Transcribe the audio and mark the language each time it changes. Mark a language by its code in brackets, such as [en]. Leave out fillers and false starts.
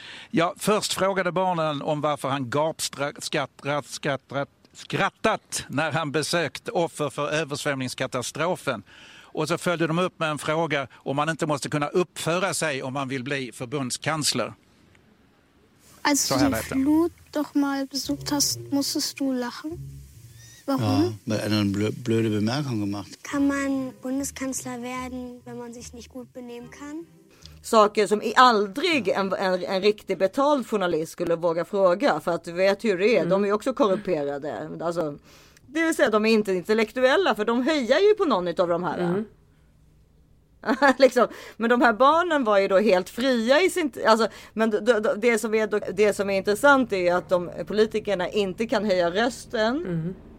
[sv] Ja, först frågade barnen om varför han skrattat när han besökt offer för översvämningskatastrofen. Och så följde de upp med en fråga om man inte måste kunna uppföra sig om man vill bli förbundskansler. [de] Als du den flut doch mal besucht hast, musstest du lachen. Warum? Ja, weil er eine blöde Bemerkung gemacht. Kann man Bundeskanzler werden, wenn man sich nicht gut benehmen kann? [sv] Saker som aldrig en riktig betald journalist skulle våga fråga, för att du vet hur det är, de är också korrumperade. Alltså, det vill säga, de är inte intellektuella, för de höjer ju på någon av de här. liksom. Men de här barnen var ju då helt fria i sin... Alltså, men det som är intressant är ju att de politikerna inte kan höja rösten.